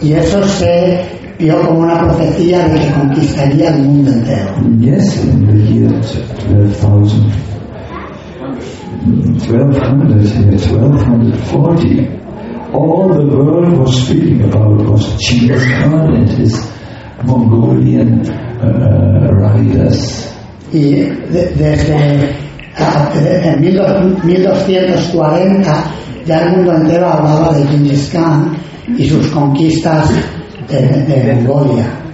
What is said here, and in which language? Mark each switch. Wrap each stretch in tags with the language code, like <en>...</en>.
<es>Y eso se vio como una profecía de que conquistaría el mundo entero.</es> <en>Yes, in the year 1240, all the world was speaking about was Genghis Khan and his Mongolian riders.</en> <es>Y desde 1240 ya el mundo entero hablaba de Genghis Khan y sus conquistas de Mongolia.</es>